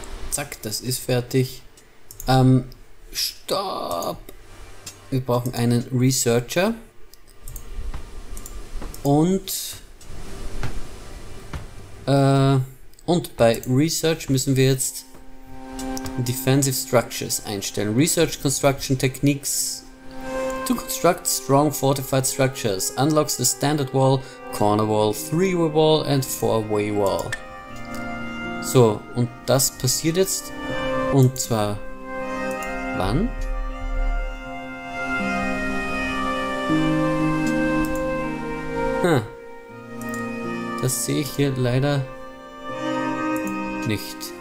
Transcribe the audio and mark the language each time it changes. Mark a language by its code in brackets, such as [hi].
[de] Zack, das ist fertig. Stopp! Wir brauchen einen Researcher. Und bei Research müssen wir jetzt Defensive Structures einstellen. [en] Research Construction Techniques. To construct strong fortified structures, unlocks the standard wall, corner wall, three-way wall and four-way wall. [de] So, und das passiert jetzt, und zwar wann? Das sehe ich hier leider nicht.